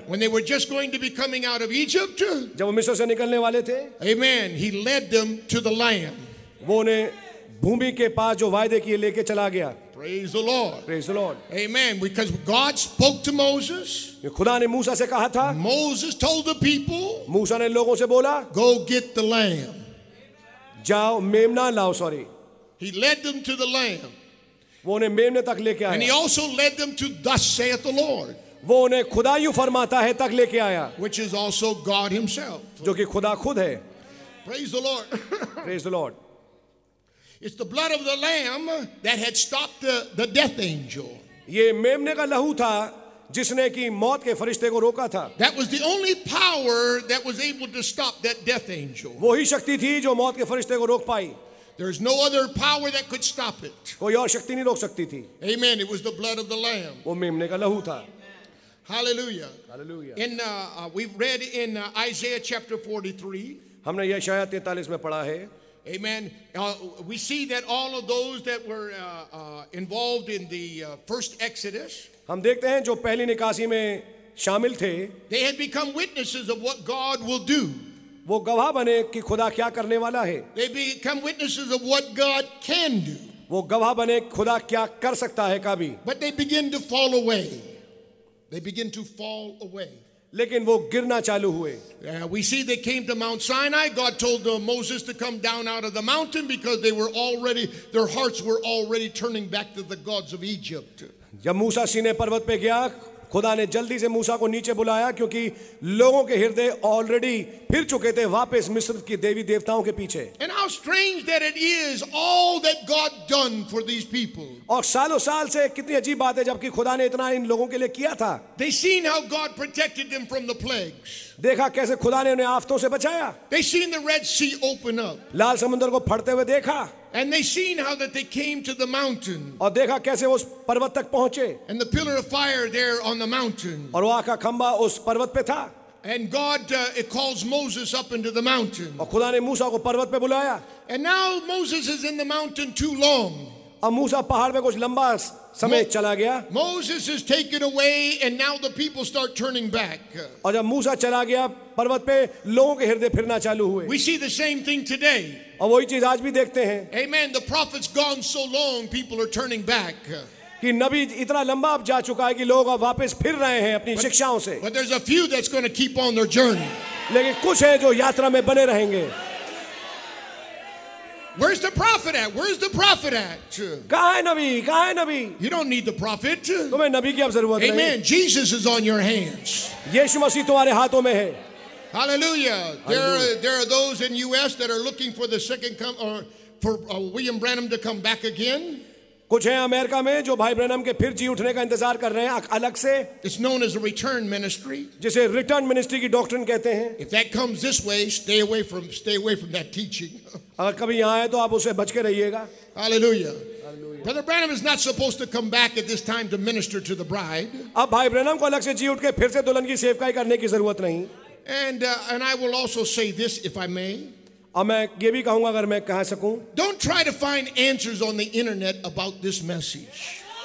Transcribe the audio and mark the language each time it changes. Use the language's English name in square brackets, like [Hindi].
[English] When they were just going to be coming out of Egypt. [Hindi] जब वो मिस्र से निकलने वाले थे. [English] Amen. He led them to the lion. [Hindi] वो उन्हें भूमि के पास जो वायदे किए लेके चला गया. [English] Praise the Lord. Praise the Lord. Amen. Because God spoke to Moses. [Hindi] खुदा ने मूसा से कहा था. [English] Moses told the people. [Hindi] मूसा ने लोगों से बोला. [English] Go get the lamb. [Hindi] जाओ मेमना लाओ. [English] Sorry. He led them to the lamb. [Hindi] वो उन्हें मेमने तक लेके आया. [English] And he also led them to thus saith the Lord. [Hindi] वो उन्हें खुदा यूं फरमाता है तक लेके आया. [English] Which is also God himself. [Hindi] जो कि खुदा खुद है. [English] Praise the Lord. Praise the Lord. It's the blood of the lamb that had stopped the death angel. [Hindi] ये मेमने का लहू था जिसने कि मौत के फरिश्ते को रोका था. [English] That was the only power that was able to stop that death angel. [Hindi] वही शक्ति थी जो मौत के फरिश्ते को रोक पाई. [English] There's no other power that could stop it. [Hindi] कोई और शक्ति नहीं रोक सकती थी. [English] Amen. It was the blood of the lamb. [Hindi] वो मेमने का लहू था. [English] Hallelujah. Hallelujah. In we read in Isaiah chapter 43. [Hindi] हमने यशायाह 43 में पढ़ा है. [English] Amen. We see that all of those that were involved in the first Exodus, [Hindi] हम देखते हैं जो पहली निकासी में शामिल थे, [English] they had become witnesses of what God will do. [Hindi] वो गवाह बने कि खुदा क्या करने वाला है. [English] They become witnesses of what God can do. [Hindi] वो गवाह बने खुदा क्या कर सकता है कभी. [English] But they begin to fall away. They begin to fall away. [Hindi] लेकिन वो गिरना चालू हुए. [English] We see they came to Mount Sinai. God told Moses to come down out of the mountain because they were already, their hearts were already turning back to the gods of Egypt. [Hindi] जब मूसा सीने पर्वत पे गया खुदा ने जल्दी से मूसा को नीचे बुलाया क्योंकि लोगों के हृदय ऑलरेडी फिर चुके थे वापस मिस्र की देवी देवताओं के पीछे. [English] And how strange that it is all that God done for these people. [Hindi] और सालों साल से कितनी अजीब बात है जबकि खुदा ने इतना इन लोगों के लिए किया था. [English] They seen how God protected them from the plagues. [Hindi] देखा कैसे खुदा ने उन्हें आफतों से बचाया. [English] They seen the Red Sea open up. [Hindi] लाल समुद्र को फटते हुए देखा. [English] And they seen how that they came to the mountain. [Hindi] और देखा कैसे वो उस पर्वत तक पहुंचे. [English] And the pillar of fire there on the mountain. [Hindi] और वो आग का खंभा उस पर्वत पे था. [English] And God it calls Moses up into the mountain. [Hindi] और खुदा ने मूसा को पर्वत पे बुलाया. [English] And now Moses is in the mountain too long. [Hindi] अब मूसा पहाड़ पे कुछ लंबा समय चला गया. [English] Moses is taken away and now the people start turning back. [Hindi] और जब मूसा चला गया पर्वत पे लोगों के हृदय फिरना चालू हुए. [English] We see the same thing today. [Hindi] और वही चीज आज भी देखते हैं. [English] Amen. The prophet's gone so long, people are turning back. [Hindi] कि नबी इतना लंबा अब जा चुका है कि लोग अब वापस फिर रहे हैं अपनी शिक्षाओं से. [English] But there's a few that's going to keep on their journey. [Hindi] लेकिन कुछ हैं जो यात्रा में बने रहेंगे. [English] Where's the prophet at? Where's the prophet at? [Hindi] Kahan nabi? [English] You don't need the prophet. [Hindi] Tumhe nabi ki ab zarurat nahi. [English] Amen. Jesus is on your hands. [Hindi] Yeshu Masih tumhare haathon mein hai. [English] Hallelujah. There are those in US that are looking for the second come or for William Branham to come back again. [Hindi] कुछ हैं America में जो भाई Branham के फिर जी उठने का इंतजार कर रहे हैं अलग से. [English] It's known as a return ministry. [Hindi] जिसे रिटर्न मिनिस्ट्री की डॉक्ट्रिन कहते हैं. [English] If that comes this way, stay away from that teaching. [Hindi] अगर कभी यहाँ आए तो आप उसे बच के रहिएगा. [English] Hallelujah. Brother Branham is not supposed to come back at this time to minister to the bride. [Hindi] अब भाई ब्रैनम को अलग से जी उठ के फिर से दुल्हन की सेवकाई करने की जरूरत नहीं. [English] And I will also say this if I may. [Hindi] मैं ये भी कहूंगा अगर मैं कह सकूं. [English] Don't try to find answers on the internet about this message.